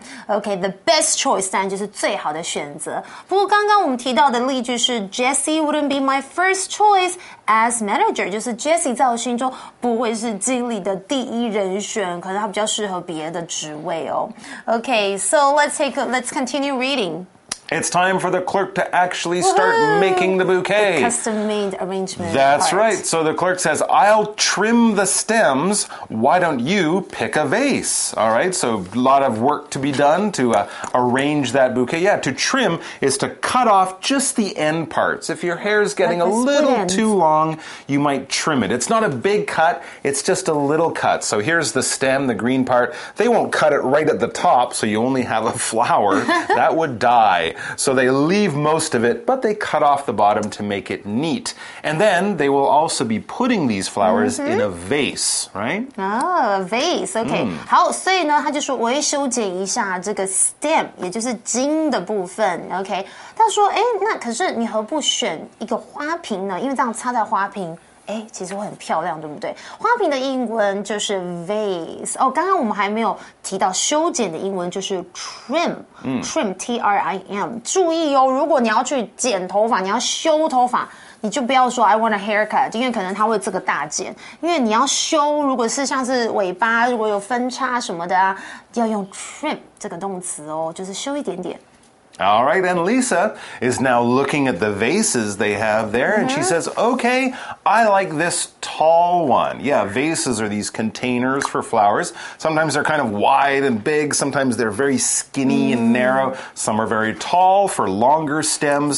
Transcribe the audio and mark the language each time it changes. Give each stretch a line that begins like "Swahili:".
Chinese: Okay,
English: the best choice
Chinese: 当然就是最好的选择。不过刚刚我们提到的例句是
English: Jesse wouldn't be my first choice as manager.
Chinese: 就是 Jesse 在我心中不会是经理的第一人选，可是他比较适合别的职位哦。
English: Okay, so let's continue reading. It's time for the clerk to actually start making the bouquet. The custom-made arrangement. That's right. So the clerk says, I'll trim the stems. Why don't you pick a vase? All right. So a lot of work to be done to arrange that bouquet. Yeah, to trim is to cut off just the end parts. If your hair is getting like a little too long, you might trim it. It's not a big cut. It's just a little cut. So here's the stem, the green part. They won't cut it right at the top, so you only have a flower. That would die. So they leave most of it, but they cut off the bottom to make it neat. And then they will also be putting these flowers、mm-hmm. in a vase, right? Oh, a vase. Okay.、Mm.
Chinese: 好，所以呢，他就说我会修剪一下这个 stem, 也就是茎的部分。
English: Okay.
Chinese: 他说，哎，那可是你何不选一个花瓶呢？因为这样插在花瓶。哎，其实会很漂亮，对不对？花瓶的英文就是 vase。哦，刚刚我们还没有提到修剪的英文就是 trim、嗯、trim, T-R-I-M。注意哦，如果你要去剪头发，你要修头发，你就不要说
English: I want a haircut,
Chinese: 因为可能它会这个大剪。因为你要修，如果是像是尾巴，如果有分叉什么的啊，要用 trim 这个动词哦，就是修一点点。
English: All right, and Lisa is now looking at the vases they have there,、mm-hmm. and she says, okay, I like this tall one. Yeah, vases are these containers for flowers. Sometimes they're kind of wide and big. Sometimes they're very skinny、mm-hmm. and narrow. Some are very tall for longer stems.